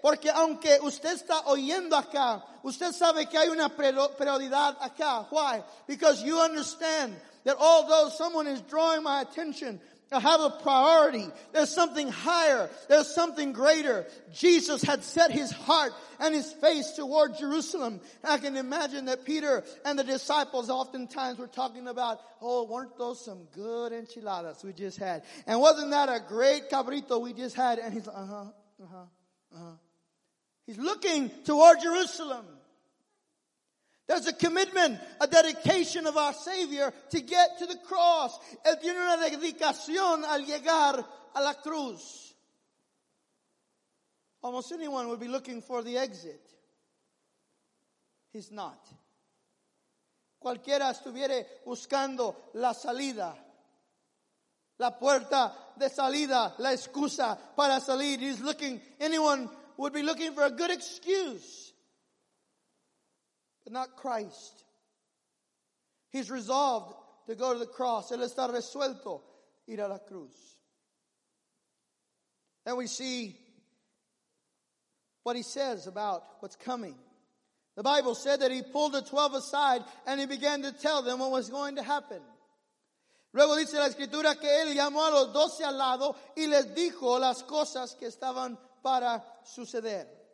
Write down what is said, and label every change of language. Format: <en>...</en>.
<es>Porque aunque usted está oyendo acá, usted sabe que hay una prioridad acá.</es> <en>Why? Because you understand that although someone is drawing my attention, I have a priority. There's something higher. There's something greater. Jesus had set his heart and his face toward Jerusalem. I can imagine that Peter and the disciples oftentimes were talking about, oh, weren't those some good enchiladas we just had? And wasn't that a great cabrito we just had? And he's like, He's looking toward Jerusalem. There's a commitment, a dedication of our Savior to get to the cross.</en> <es>Él tiene una dedicación al llegar a la cruz.</es> <en>Almost anyone would be looking for the exit. He's not.</en> <es>Cualquiera estuviera buscando la salida. La puerta de salida, la excusa para salir.</es> <en>He's looking, anyone would be looking for a good excuse, but not Christ. He's resolved to go to the cross.</en> <es>Él está resuelto ir a la cruz.</es> <en>And we see what he says about what's coming. The Bible said that he pulled the 12 aside and he began to tell them what was going to happen.</en> <es>Luego dice la escritura que él llamó a los 12 al lado y les dijo las cosas que estaban para suceder.</es>